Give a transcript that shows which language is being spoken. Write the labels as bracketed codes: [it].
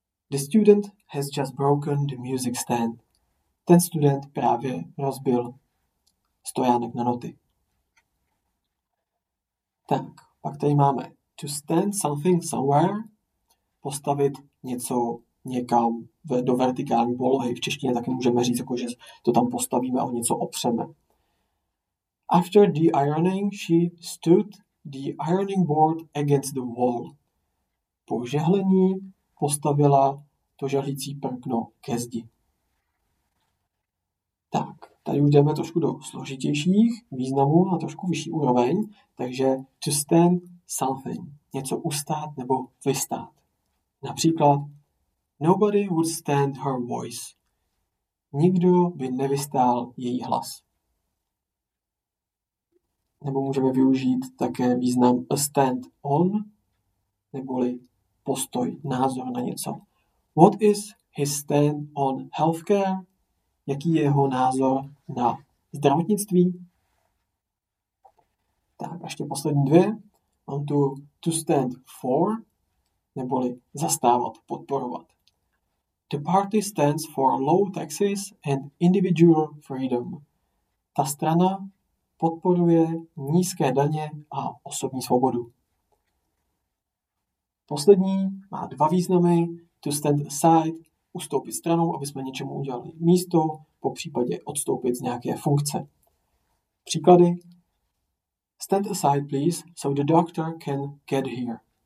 [en] The student has just broken the music stand. [cs] Ten student právě rozbil stojánek na noty. Tak, pak tady máme to stand something somewhere, postavit něco někam do vertikální polohy. V češtině taky můžeme říct, jako, že to tam postavíme a něco opřeme. [en] After the ironing, she stood the ironing board against the wall. [cs] Po žehlení postavila to žehlící prkno ke zdi. Tak, tady už jdeme trošku do složitějších významů a trošku vyšší úroveň. Takže to stand something, něco ustát nebo vystát. Například [en] nobody would stand her voice. [cs] Nikdo by nevystál její hlas. Nebo můžeme využít také význam a stand on, neboli postoj, názor na něco. [en] What is his stand on healthcare? [cs] Jaký je jeho názor na zdravotnictví? Tak, ještě poslední dvě. Mám tu to stand for, neboli zastávat, podporovat. [en] The party stands for low taxes and individual freedom. [cs] Ta strana podporuje nízké daně a osobní svobodu. Poslední má dva významy. To stand aside, ustoupit stranou, aby jsme něčemu udělali místo, popřípadě odstoupit z nějaké funkce. Příklady. [en] Stand aside, please, so the doctor can get here.